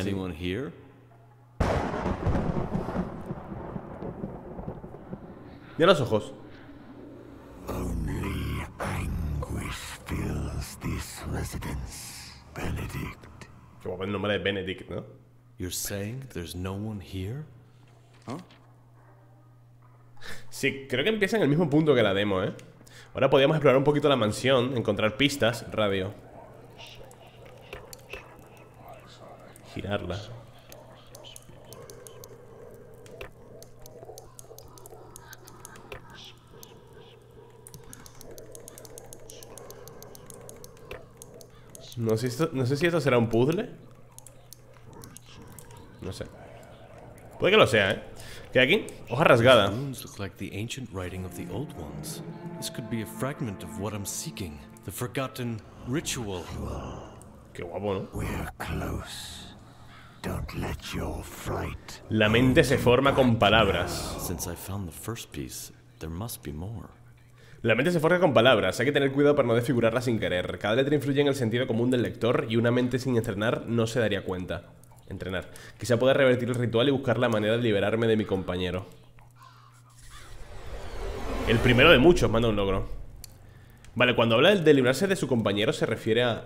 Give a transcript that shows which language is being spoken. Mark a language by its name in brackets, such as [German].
[English] Anyone y... here? [Spanish] Mira los ojos. [English] Only anguish fills this residence, Benedict. [Spanish] Qué guapo el nombre de Benedict, ¿no? [English] You're saying there's no one here? [Spanish] Sí, creo que empieza en el mismo punto que la demo, ¿eh? Ahora podríamos explorar un poquito la mansión, encontrar pistas, radio. Girarla. No sé si esto será un puzzle. No sé. Puede que lo sea, ¿eh? ¿Qué hay aquí? Hoja rasgada. Las runas parecen como el [English] ancient writing [Spanish] de los antiguos. Esto podría ser un fragmento de lo que estoy buscando. [English] El forgotten ritual. [Spanish] Qué guapo, ¿no? [English] We're close. Don't let your fright. [Spanish] La mente se forma con palabras. [English] Since I found the first piece, there must be more. [Spanish] La mente se forja con palabras, hay que tener cuidado para no desfigurarla sin querer. Cada letra influye en el sentido común del lector y una mente sin entrenar no se daría cuenta. Entrenar. Quizá pueda revertir el ritual y buscar la manera de liberarme de mi compañero. El primero de muchos, manda un logro. Vale, cuando habla de librarse de su compañero se refiere a...